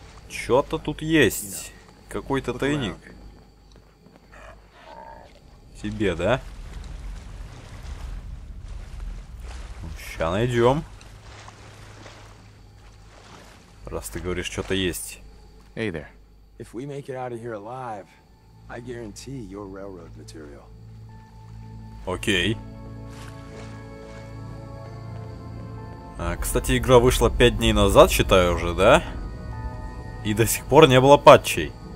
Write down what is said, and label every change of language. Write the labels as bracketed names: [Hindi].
[Russian] Что-то тут есть. Какой-то тайник. Тебе, да? Сейчас найдем. Раз ты говоришь, что-то есть. [English] Hey there. If we make it out of here alive, I guarantee your railroad material. [Russian] Окей. А, кстати, игра вышла 5 дней назад, считаю уже, да? И до сих пор не было патчей.